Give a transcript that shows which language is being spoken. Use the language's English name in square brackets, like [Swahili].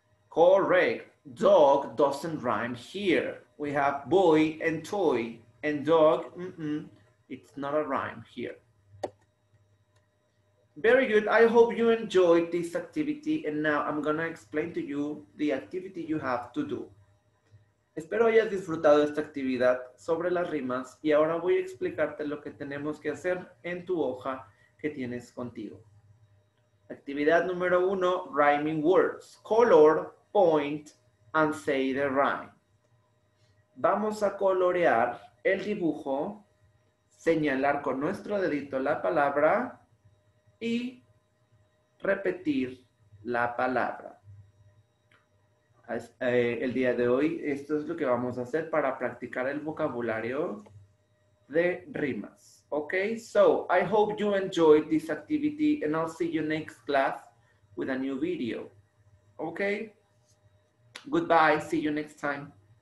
[English] Correct, dog doesn't rhyme here. We have boy and toy and dog, it's not a rhyme here. Very good. I hope you enjoyed this activity. And now I'm going to explain to you the activity you have to do. [Spanish] Espero hayas disfrutado esta actividad sobre las rimas. Y ahora voy a explicarte lo que tenemos que hacer en tu hoja que tienes contigo. Actividad número uno, [English] rhyming words. Color, point, and say the rhyme. [Spanish] Vamos a colorear el dibujo, señalar con nuestro dedito la palabra y repetir la palabra. El día de hoy, esto es lo que vamos a hacer para practicar el vocabulario de rimas. [English] Okay, so I hope you enjoyed this activity and I'll see you next class with a new video. Okay, goodbye, see you next time.